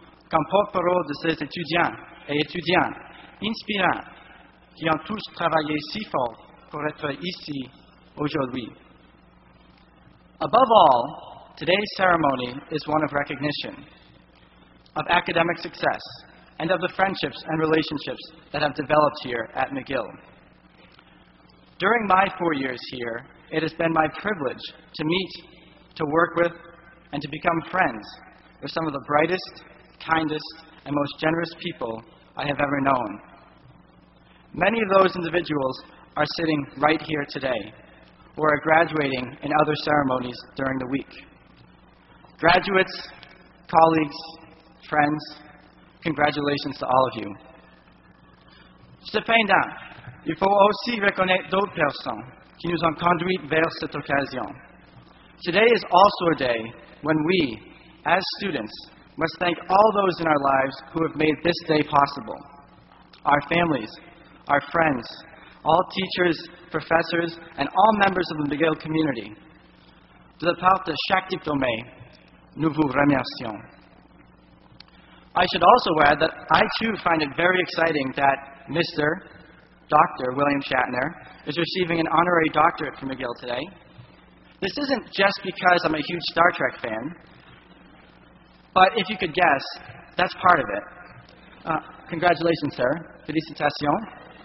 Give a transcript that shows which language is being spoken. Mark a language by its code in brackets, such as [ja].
[fr] comme porte-parole de ses étudiants et étudiantes inspirants qui ont tous travaillé si fort pour être ici aujourd'hui. [en] Above all, today's ceremony is one of recognition, of academic success, and of the friendships and relationships that have developed here at McGill. During my 4 years here, it has been my privilege to meet, to work with, and to become friends with some of the brightest, kindest, and most generous people I have ever known. Many of those individuals are sitting right here today, or are graduating in other ceremonies during the week. Graduates, colleagues, friends, congratulations to all of you. [fr] Cependant, il faut aussi reconnaître d'autres personnes qui nous ont conduit vers cette occasion. [en] Today is also a day when we, as students, must thank all those in our lives who have made this day possible. Our families, our friends, all teachers, professors, and all members of the McGill community. [fr] De la part de chaque diplômé, nous vous remercions. [en] I should also add that I too find it very exciting that Mr. Dr. William Shatner is receiving an honorary doctorate from McGill today. This isn't just because I'm a huge Star Trek fan, but if you could guess, that's part of it. Congratulations, sir. [fr] Félicitations.